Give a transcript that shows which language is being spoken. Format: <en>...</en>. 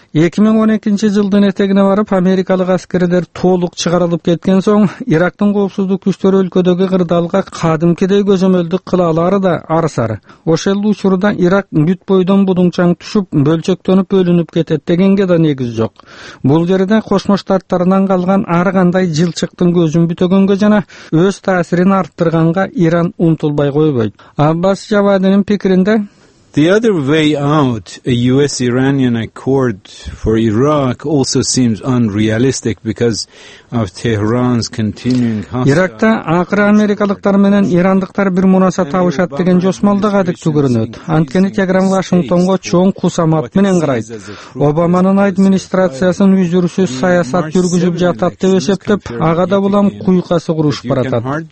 <ky>2012 жылдын этегине барып америкалык аскерлер толук чыгарылып кеткен соң Ирактын коопсуздук күчтөрү өлкөдөгү кырдаалга кадимкидей көзөмөлдүк кыла алары да арсар. Ошол учурда Ирак бүт бойдон будуңчаң түшүп бөлчөктөнүп бөлүнүп кетет дегенге да негиз жок. Бул жерде Кошмо Штаттарынан калган ар кандай жылчыктын көзүн бүтөгөнгө жана өз таасирин арттырганга Иран умтулбай койбойт. Аббас Жавадинин пикиринде</ky> <en>The other way out, a US-Iranian accord for Iraq, also seems unrealistic because of Tehran's continuing hostile...</en> <ky>Иракта акыры америкалыктар менен ирандыктар бир мунаса табышат деген жосмолда кадыктуу көрүнөт. Анткени Тегеран Вашингтонго чоң кусамат менен карайт. Обаманын администрациясын үзүрсүз саясат жүргүзүп жатат деп эсептеп, ага да улам куйкасы курушуп баратат.</ky>